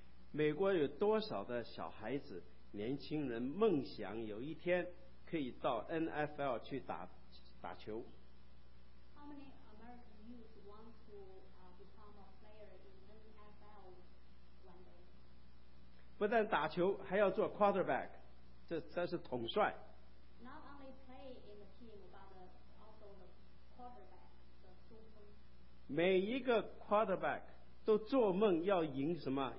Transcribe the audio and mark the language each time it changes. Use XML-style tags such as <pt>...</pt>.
<zh>美国有多少的小孩子、年轻人梦想有一天可以到 NFL 去打球？</zh> <en>How many American youth want to become a player in the NFL one day.</en> <zh>不但打球，还要做 quarterback， 这才是统帅。</zh> <en>Not only play in the team, but also the quarterback, the super.</en> <zh>每一个 quarterback 都做梦要赢什么？</zh>